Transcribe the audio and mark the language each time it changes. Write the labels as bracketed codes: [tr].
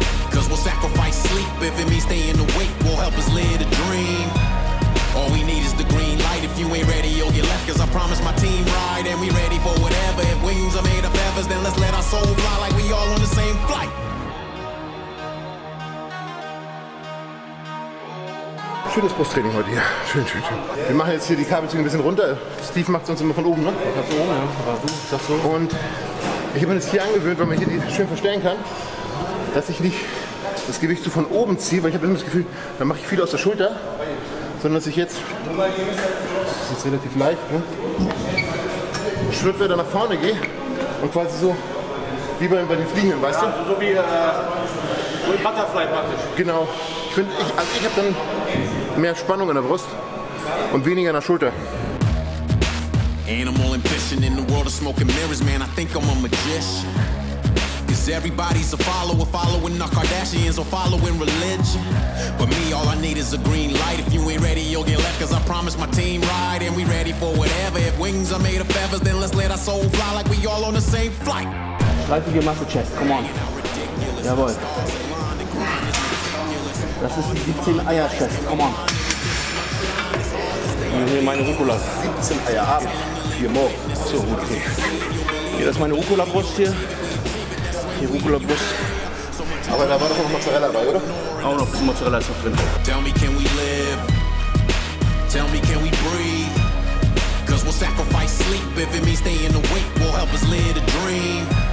[en] Cause we'll sacrifice sleep if it means staying awake. Will help us live the dream. All we need is the green light. If you ain't ready, you'll get left. Cause I promise my team ride. And we ready for whatever. If wings are made of feathers, then let's let our soul fly like we all on the same flight. [de] Schönes Brusttraining heute hier. Schön, schön, schön. Wir machen jetzt hier die Kabelzüge ein bisschen runter. Steve macht es uns immer von oben, ne? Ich hab's oben, ja. Aber du sagst so. Und ich habe mir das hier angewöhnt, weil man hier die schön verstellen kann, dass ich nicht das Gewicht so von oben ziehe, weil ich habe immer das Gefühl, da mache ich viel aus der Schulter, sondern dass ich jetzt, das ist jetzt relativ leicht, ne? Schritt wieder nach vorne gehe und quasi so wie bei den Fliegenden, weißt du? Ja, so wie ein Butterfly praktisch. Genau. Ich finde, ich habe dann mehr Spannung in der Brust und weniger in der Schulter. [en] Animal ambition in the world of smoke and mirrors, man. I think I'm a magician. Cause everybody's a follower, following the Kardashians or following religion. But me, all I need is a green light. If you ain't ready, you'll get left. Cause I promise my team ride and we ready for whatever. If wings are made of feathers, then let's let our soul fly like we all on the same flight. Reife your muscle chest, come on. [de] Jawohl. Das ist die 17 Eier-Chest. [en] Come on. [de] Und hier meine Rucola. 17 Eier abends. 4 morgen. So, gut. Okay. Hier, das ist meine Rucola-Brust hier. Die Rucola-Brust. Aber da war doch noch Mozzarella dabei, oder? Auch noch ein bisschen Mozzarella ist noch drin. [en] Tell me, can we live? Tell me, can we breathe? Cause we'll sacrifice sleep. If it means staying awake, we'll help us live the dream.